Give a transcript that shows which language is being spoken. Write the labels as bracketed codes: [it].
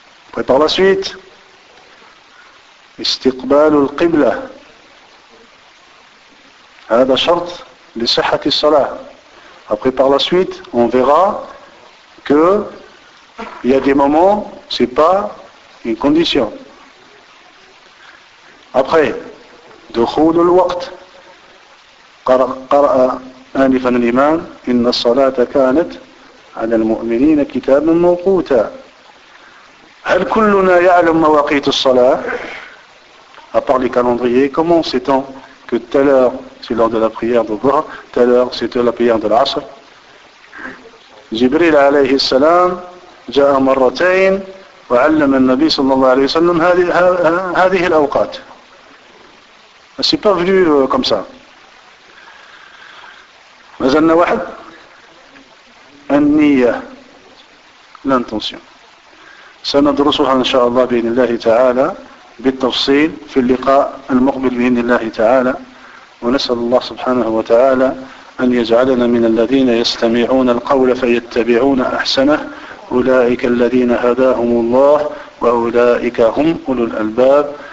[fr] Après, par la suite, [ar] استقبال القبلة. هذا شرط لصحة الصلاة. [fr] Après, par la suite, on verra que il y a des moments, c'est pas une condition. Après, [ar] دخول الوقت قرأ آنفا الإمام إن الصلاة كانت على المؤمنين كتابا موقوتا هل كلنا يعلم مواقيت الصلاة [fr] à part les calendriers comment c'est temps que telle heure c'est l'heure de la prière de Dhuhr telle heure c'est la prière de l'Asr [ar] جبريل عليه السلام جاء مرتين وعلم النبي صلى الله عليه وسلم هذه الأوقات. [fr] C'est pas venu comme ça. Mais en a [ar] واحد النية [fr] l'intention. [ar] سندرسها إن شاء الله بإذن الله تعالى بالتفصيل في اللقاء المقبل بإذن الله تعالى ونسأل الله سبحانه وتعالى أن يجعلنا من الذين يستمعون القول فيتبعون أحسنه أولئك الذين هداهم الله وأولئك هم أولو الألباب.